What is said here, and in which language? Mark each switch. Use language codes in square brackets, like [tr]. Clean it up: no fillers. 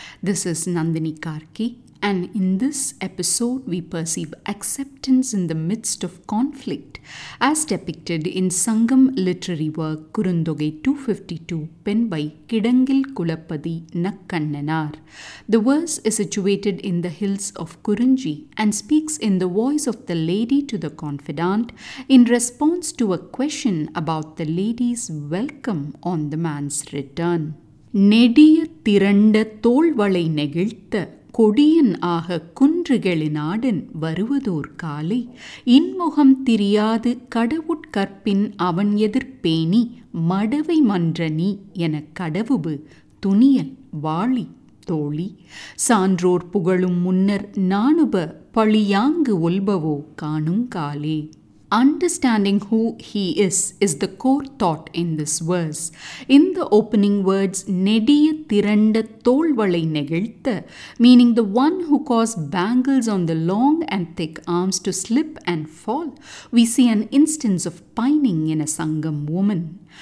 [en] This is Nandini Karki, and in this episode we perceive acceptance in the midst of conflict as depicted in Sangam literary work Kurundogai 252 penned by Kidangil Kulapadi Nakkannanar. The verse is situated in the hills of Kurunji and speaks in the voice of the lady to the confidant in response to a question about the lady's welcome on the man's return. [ta] நெடிய திரண்ட தோள்வளை நெகிழ்த்த கொடியன் ஆக குன்றுகளினாடன் வருவதோர் காலை இன்முகம் திரியாது கடவுட்கற்பின் அவன் எதிர்ப்பேணி மடவை மன்ற நீ என கடவுபு துணியல் வாளி தோழி சான்றோர் புகழும் முன்னர் நானுப பழியாங்கு ஒல்பவோ காணும் காலே. [en] Understanding who he is the core thought in this verse. In the opening words, [ta] Nediya Tiranda Tolvalai Negiltha, [en] meaning the one who caused bangles on the long and thick arms to slip and fall, we see an instance of pining in a Sangam woman.